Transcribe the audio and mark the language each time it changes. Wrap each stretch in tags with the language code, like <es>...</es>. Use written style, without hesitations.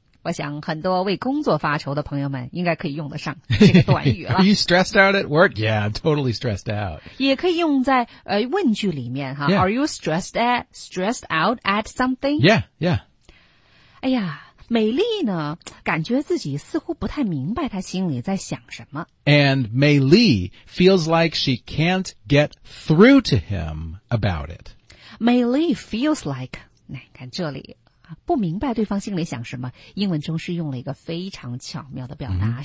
<zh>我想很多为工作发愁的朋友们应该可以用得上这个短语了。</zh> <en>Are you stressed out at work? Yeah, I'm totally stressed out.</en> <zh>也可以用在问句里面哈。</zh> <en>Yeah. Are you stressed out at something? Yeah, yeah.</en> <zh>哎呀，美丽呢，感觉自己似乎不太明白她心里在想什么。</zh> <en>And May Lee feels like she can't get through to him about it. May Lee feels like,</en> <zh>看这里。不明白对方心里想什么，英文中是用了一个非常巧妙的表达、mm-hmm.</zh>